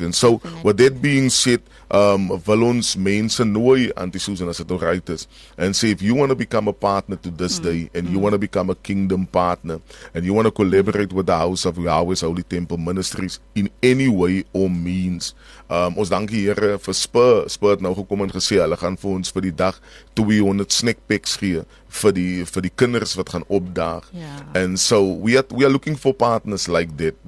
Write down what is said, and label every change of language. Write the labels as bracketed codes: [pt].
[en] And so with that being said, [af] wil ons mense nooi, [en] Auntie Susan, [af] as dit nou right is, [en] and say if you want to become a partner to this day, and you want to become a kingdom partner, and you want to collaborate with the house of Yahweh's Holy Temple Ministries in any way all means. [af] Ons dankie Here vir Spur. Spur het nou gekom en gesê hulle gaan vir ons vir die dag 200 snack packs gee vir die kinders wat gaan opdaag. [en] Yeah. And so we are looking for partners like that.